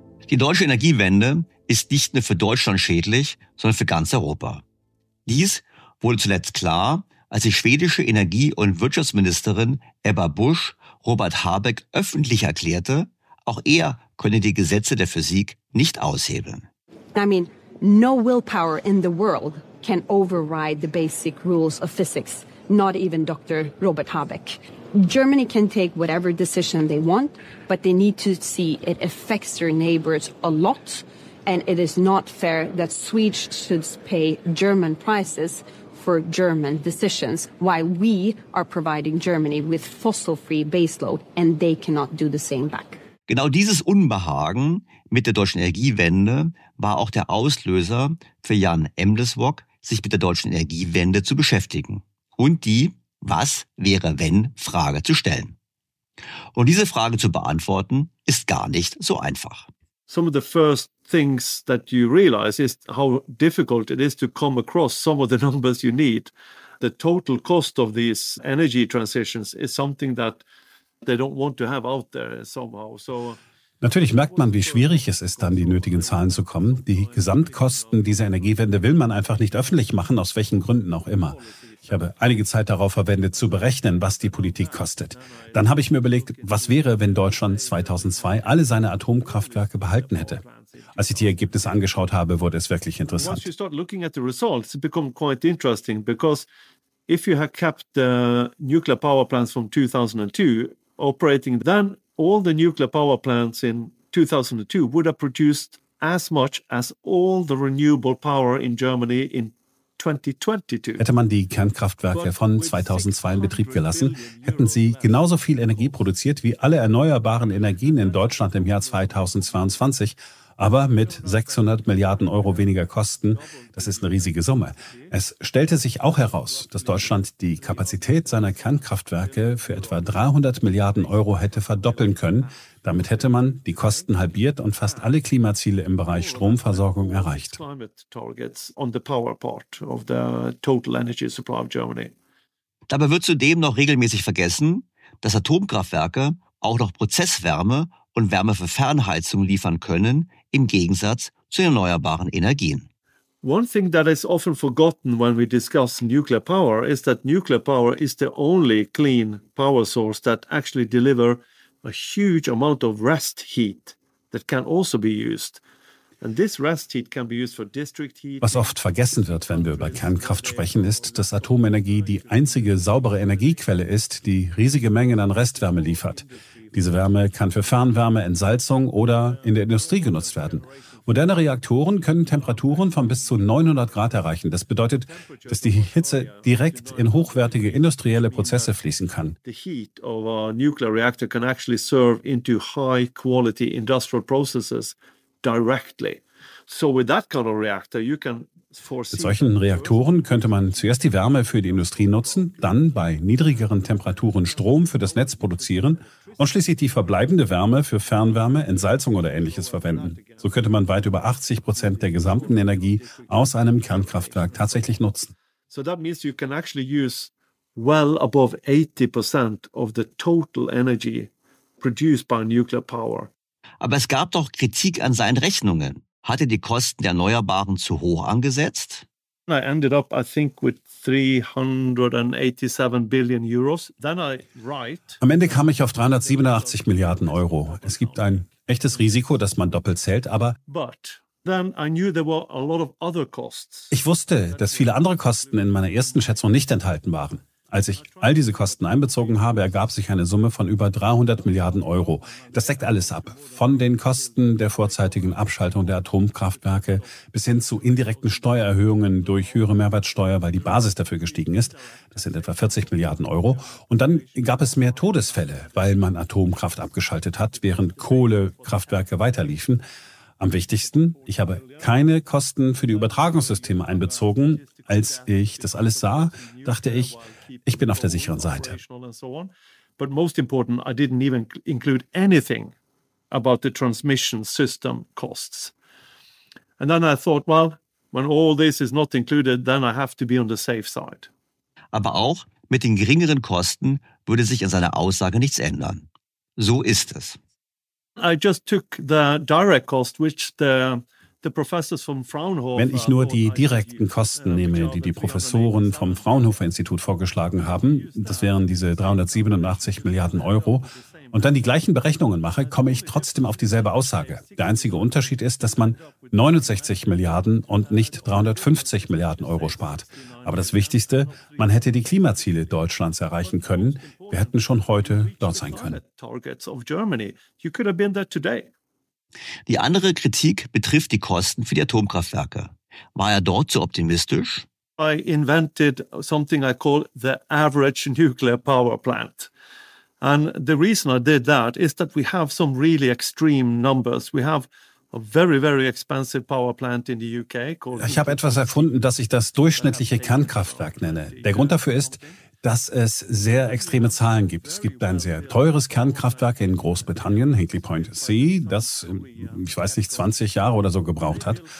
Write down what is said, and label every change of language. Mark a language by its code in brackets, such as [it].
[de] Die deutsche Energiewende ist nicht nur für Deutschland schädlich, sondern für ganz Europa. Dies wurde zuletzt klar, als die schwedische Energie- und Wirtschaftsministerin Ebba Busch Robert Habeck öffentlich erklärte, auch er könne die Gesetze der Physik nicht aushebeln. [en] I mean, no willpower in the world can override the basic rules of physics, not even Dr. Robert Habeck. Germany can take whatever decision they want, but they need to see it affects their neighbors a lot. And it is not fair that Swedes should pay German prices for German decisions while we are providing Germany with fossil-free baseload and they cannot do the same back. [de] Genau dieses Unbehagen mit der deutschen Energiewende war auch der Auslöser für Jan Embleswock, sich mit der deutschen Energiewende zu beschäftigen und die Was-wäre-wenn-Frage zu stellen. Und diese Frage zu beantworten ist gar nicht so einfach. [en] Some of the first things that you realize is how difficult it is to come across some of the numbers you need. The total cost of these energy transitions is something that they don't want to have out there somehow. So [de] natürlich merkt man, wie schwierig es ist, an die nötigen Zahlen zu kommen. Die Gesamtkosten dieser Energiewende will man einfach nicht öffentlich machen, aus welchen Gründen auch immer. Ich habe einige Zeit darauf verwendet, zu berechnen, was die Politik kostet. Dann habe ich mir überlegt, was wäre, wenn Deutschland 2002 alle seine Atomkraftwerke behalten hätte. Als ich die Ergebnisse angeschaut habe, wurde es wirklich interessant. [en] Once you start looking at the results, it becomes quite interesting, because if you had kept the nuclear power plants from 2002 operating, then all the nuclear power plants in 2002 would have produced as much as all the renewable power in Germany in 2022. [de] Hätte man die Kernkraftwerke von 2002 in Betrieb gelassen, hätten sie genauso viel Energie produziert wie alle erneuerbaren Energien in Deutschland im Jahr 2022. Aber mit 600 Milliarden Euro weniger Kosten, das ist eine riesige Summe. Es stellte sich auch heraus, dass Deutschland die Kapazität seiner Kernkraftwerke für etwa 300 Milliarden Euro hätte verdoppeln können. Damit hätte man die Kosten halbiert und fast alle Klimaziele im Bereich Stromversorgung erreicht. Dabei wird zudem noch regelmäßig vergessen, dass Atomkraftwerke auch noch Prozesswärme und Wärme für Fernheizung liefern können, im Gegensatz zu erneuerbaren Energien. [en] One thing that is often forgotten when we discuss nuclear power is that nuclear power is the only clean power source that actually deliver a huge amount of rest heat that can also be used. And this rest heat can be used for district heat. [de] Was oft vergessen wird, wenn wir über Kernkraft sprechen, ist, dass Atomenergie die einzige saubere Energiequelle ist, die riesige Mengen an Restwärme liefert. Diese Wärme kann für Fernwärme, Entsalzung oder in der Industrie genutzt werden. Moderne Reaktoren können Temperaturen von bis zu 900 Grad erreichen. Das bedeutet, dass die Hitze direkt in hochwertige industrielle Prozesse fließen kann. [en] The heat of a nuclear reactor can actually serve into high quality industrial processes directly. So with that kind of reactor, you can [de] mit solchen Reaktoren könnte man zuerst die Wärme für die Industrie nutzen, dann bei niedrigeren Temperaturen Strom für das Netz produzieren und schließlich die verbleibende Wärme für Fernwärme, Entsalzung oder Ähnliches verwenden. So könnte man weit über 80% der gesamten Energie aus einem Kernkraftwerk tatsächlich nutzen. [en] So that means you can actually use well above 80% of the total energy produced by nuclear power. [de] Aber es gab doch Kritik an seinen Rechnungen. Hat er die Kosten der Erneuerbaren zu hoch angesetzt? [en] I ended up, I think, with 387 billion euros. Then I write. [de] Am Ende kam ich auf 387 Milliarden Euro. Es gibt ein echtes Risiko, dass man doppelt zählt, aber. [en] But then I knew there were a lot of other costs. [de] Ich wusste, dass viele andere Kosten in meiner ersten Schätzung nicht enthalten waren. Als ich all diese Kosten einbezogen habe, ergab sich eine Summe von über 300 Milliarden Euro. Das deckt alles ab, von den Kosten der vorzeitigen Abschaltung der Atomkraftwerke bis hin zu indirekten Steuererhöhungen durch höhere Mehrwertsteuer, weil die Basis dafür gestiegen ist. Das sind etwa 40 Milliarden Euro. Und dann gab es mehr Todesfälle, weil man Atomkraft abgeschaltet hat, während Kohlekraftwerke weiterliefen. Am wichtigsten, ich habe keine Kosten für die Übertragungssysteme einbezogen. Als ich das alles sah, dachte ich, ich bin auf der sicheren Seite. [en] But most important, I didn't even include anything about the transmission system costs. And then I thought, well, when all this is not included, then I have to be on the safe side. [de] Aber auch mit den geringeren Kosten würde sich an seiner Aussage nichts ändern. So ist es. [en] I just took the direct cost, which the professors from Fraunhofer. [de] Wenn ich nur die direkten Kosten nehme, die die Professoren vom Fraunhofer-Institut vorgeschlagen haben, das wären diese 387 Milliarden Euro, und dann die gleichen Berechnungen mache, komme ich trotzdem auf dieselbe Aussage. Der einzige Unterschied ist, dass man 69 Milliarden und nicht 350 Milliarden Euro spart. Aber das Wichtigste, man hätte die Klimaziele Deutschlands erreichen können. Wir hätten schon heute dort sein können. Die andere Kritik betrifft die Kosten für die Atomkraftwerke. War er dort zu optimistisch? [en] I invented something I call the average nuclear power plant. And the reason I did that is that we have some really extreme numbers. We have a very, very expensive power plant in the UK called. [de] Ich habe etwas erfunden, das ich das durchschnittliche Kernkraftwerk nenne. Der Grund dafür ist, dass es sehr extreme Zahlen gibt. Es gibt ein sehr teures Kernkraftwerk in Großbritannien, Hinkley Point C, das, ich weiß nicht, 20 Jahre oder so gebraucht hat.